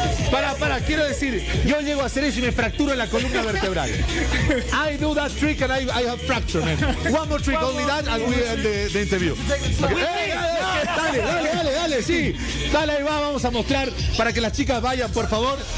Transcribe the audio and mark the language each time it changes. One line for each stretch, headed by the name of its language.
Spanish: Para, quiero decir, yo llego a hacer eso y me fracturo la columna vertebral.
English: I do that trick and I have fracture, man. One more trick, only that, and we end the interview.
Spanish: Dale, sí. Dale, ahí va, vamos a mostrar para que las chicas vayan, por favor.